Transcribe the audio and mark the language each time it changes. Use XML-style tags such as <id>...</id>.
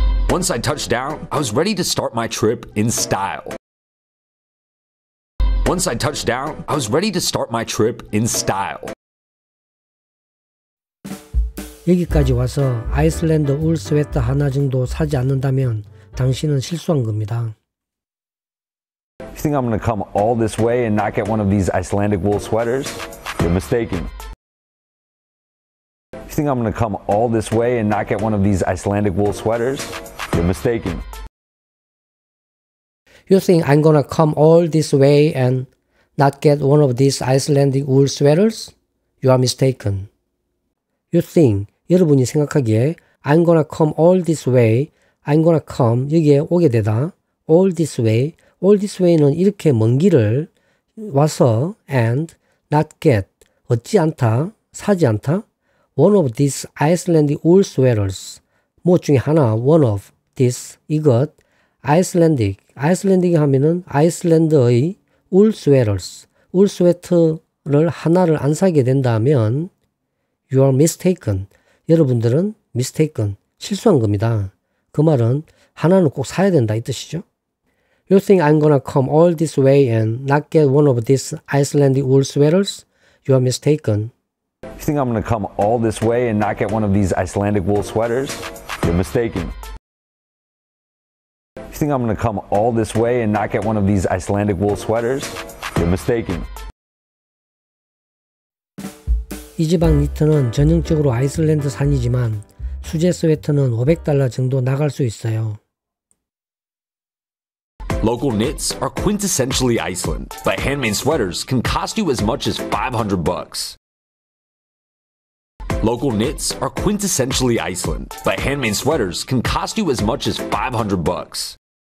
<en>Once I touched down, I was ready to start my trip in style. Once I touched down, I was ready to start my trip in style.</en> <ko>여기까지 와서 아이슬란드 울 스웨터 하나 정도 사지 않는다면 당신은 실수한 겁니다.</ko> <en>You think I'm going to come all this way and not get one of these Icelandic wool sweaters? You're mistaken. You think I'm going to come all this way and not get one of these Icelandic wool sweaters? You're mistaken. You think I'm going to come all this way and not get one of these Icelandic wool sweaters? You are mistaken. You think,</en> <ko>여러분이 생각하기에</ko> <en>I'm going to come all this way, I'm going to come,</en> <ko>여기에 오게 되다.</ko> <en>All this way, all this way는</en> <ko>이렇게 먼 길을 와서</ko> <en>and not get,</en> <ko>얻지 않다, 사지 않다.</ko> <en>One of these Icelandic wool sweaters,</en> <ko>무엇 중에 하나,</ko> <en>one of this,</en> <ko>이것,</ko> <en>Icelandic, Icelandic</en> <ko>하면은 아이슬란드의 울</ko> <en>sweaters,</en> <ko>울 스웨터를 하나를 안 사게 된다면</ko> <en>you are mistaken,</en> <ko>여러분들은</ko> <en>mistaken,</en> <ko>실수한 겁니다. 그 말은 하나는 꼭 사야 된다 이 뜻이죠.</ko> <en>You think I'm gonna come all this way and not get one of these Icelandic wool sweaters? You are mistaken. You think I'm gonna come all this way and not get one of these Icelandic wool sweaters? You're mistaken. You think I'm gonna come all this way and not get one of these Icelandic wool sweaters? You're mistaken.</en> <ko>이 지방 니트는 전형적으로 아이슬란드 산이지만 수제 스웨터는 $500 정도 나갈 수 있어요.</ko> <en>Local knits are quintessentially Iceland, but handmade sweaters can cost you as much as $500. Local knits are quintessentially Iceland, but handmade sweaters can cost you as much as $500.</en>